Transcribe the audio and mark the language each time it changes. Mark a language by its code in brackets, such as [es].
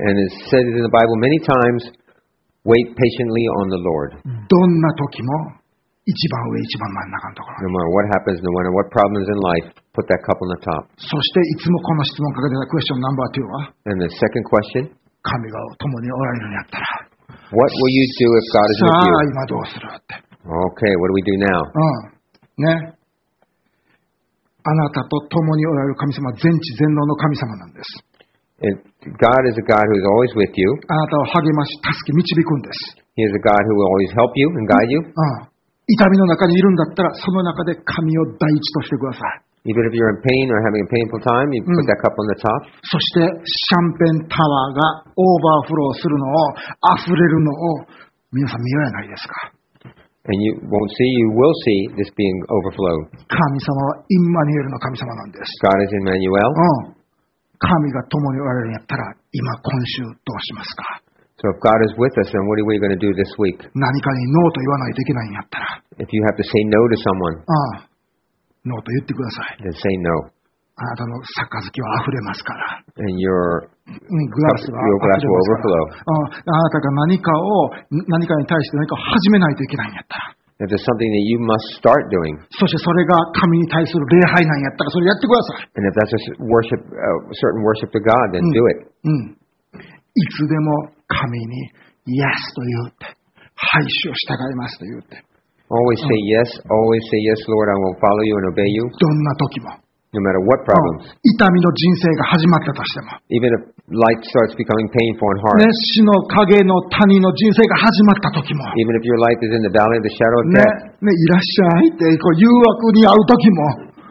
[en] And it says in the Bible many times, wait patiently on the Lord. [ja] どんな時も一番上一番真ん中のところ。 [en] No matter what happens, no matter what problems in life, put that cup on the top. [ja] そしていつもこの質問かけてたクエスチョンナンバー2は。 [en] And the second question. [ja] 神が共におられるんやったら。 [en] What will you do if God is with you? [ja] さあ今どうするって。 [en] Okay, what do we do now? [ja] ね。あなたと共におられる神様は全知全能の神様なんです。 [en] God is a God who is always with you. [ja] あなたを励まし、助け、導くんです。 [en] He is a God who will always help you and guide you. [ja] 痛みの中にいるんだったら、その中で神を第一としてください。 [en] Even if you're in pain or having a painful time, you put that cup on the top. [ja] そして、シャンペンタワーがオーバーフローするのを、溢れるのを、皆さん見ようやないですか。 [en] And you won't see, you will see this being overflowed. [ja] 神様はイマニュエルの神様なんです。 [en] God is Emmanuel. [ja] 神が共におられるんやったら、今今週どうしますか？ [en] So if God is with us, then what are we going to do this week? [ja] 何かにノーと言わないといけないんやったら。 [en] If you have to say no to someone. [ja] ノーと言ってください。 [en] Then say no. [ja] あなたの杯は溢れますから。 [en] And your [ja] グラスは溢れますから。あなたが何かに対して何かを始めないといけないんやったら。 [en] If there's something that you must start doing. [ja] そしてそれが神に対する礼拝なんやったらそれやってください。 [en] And if that's a worship, a certain worship to God, then do it. [ja] いつでも神に Yes と言って、はい、主を従いますと言って。 [en] Always say Yes. Always say Yes, Lord. I will follow you and obey you. [ja] どんな時も。 [en] No matter what problems. [ja] 痛みの人生が始まったとしても。 [en] Even if life starts becoming painful and hard. [ja] 死の影の谷の人生が始まった時も。 [en] Even if your life is in the valley of the shadow of death. [ja] いらっしゃいってこう誘惑に遭う時も。